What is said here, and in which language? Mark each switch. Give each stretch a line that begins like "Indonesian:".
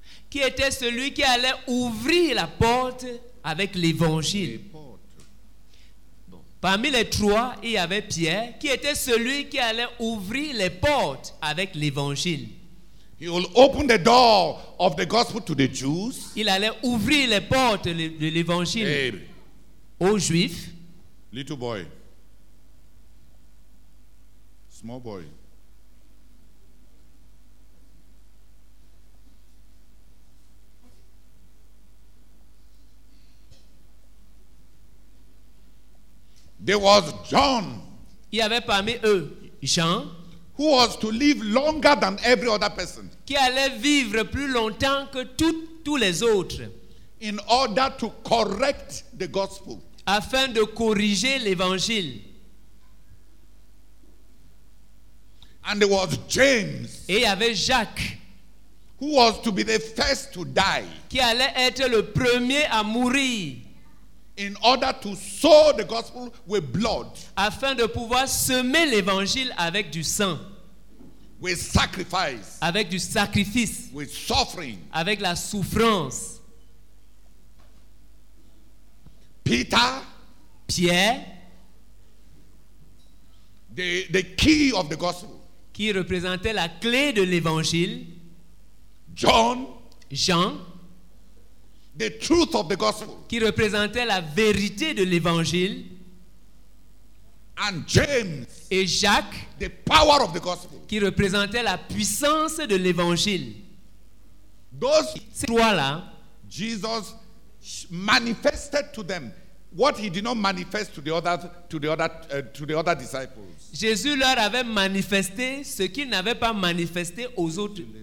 French: Qui était celui qui allait ouvrir la porte avec l'évangile. Parmi les trois, il y avait Pierre, qui était celui qui allait ouvrir les portes avec l'évangile.
English: He will open the door of the gospel to the Jews.
French: Il allait ouvrir les portes de l'évangile, hey, aux Juifs.
English: Little boy. Small boy. There was John.
French: Il y avait parmi eux Jean.
English: Who was to live longer than every other person.
French: Qui allait vivre plus longtemps que tous les autres.
English: In order to correct the gospel.
French: Afin de corriger l'évangile.
English: And there was James.
French: Et il y avait Jacques.
English: Who was to be the first to die.
French: Qui allait être le premier à mourir.
English: In order to sow the gospel with blood,
French: afin de pouvoir semer l'évangile avec du sang,
English: with sacrifice,
French: avec du sacrifice,
English: with suffering,
French: avec la souffrance.
English: Peter,
French: Pierre,
English: the key of the gospel,
French: qui représentait la clé de l'évangile.
English: John,
French: Jean,
English: the truth of the gospel,
French: qui représentait la vérité de l'évangile.
English: And James,
French: et Jacques,
English: the power of the gospel,
French: qui représentait la puissance de l'évangile.
English: Those
French: ces trois-là,
English: Jesus manifested to them what he did not manifest to the other disciples.
French: Jésus leur avait manifesté ce qu'il n'avait pas manifesté aux autres.